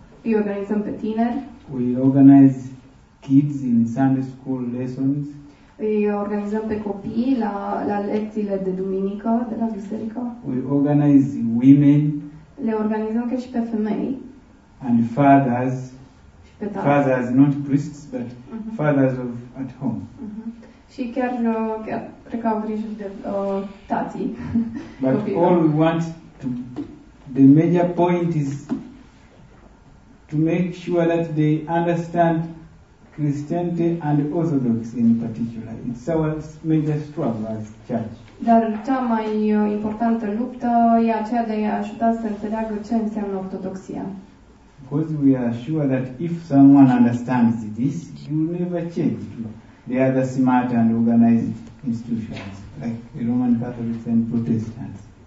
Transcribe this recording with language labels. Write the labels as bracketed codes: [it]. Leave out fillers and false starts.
[ro] Îi organizăm pe tineri. [en] We organize kids in Sunday school lessons. [ro] Îi organizăm pe copii la lecțiile de duminică de la biserică. [en] We organize women. [ro] Le organizăm chiar și pe femei. [en] And fathers. [ro] Și pe tați. [en] Fathers, not priests, but fathers of at home. [ro] Și chiar cred că au grijă de tații. [en] But all we want to, the major point is to make sure that they understand Christianity and Orthodox in particular. It's our major struggle as church. [ro] Dar cea mai importantă luptă e aceea de a ajuta să înțeleagă ce înseamnă ortodoxia. [en] Because we are sure that if someone understands this, you will never change. They are the smart and organized institutions, like the Roman Catholics and Protestants.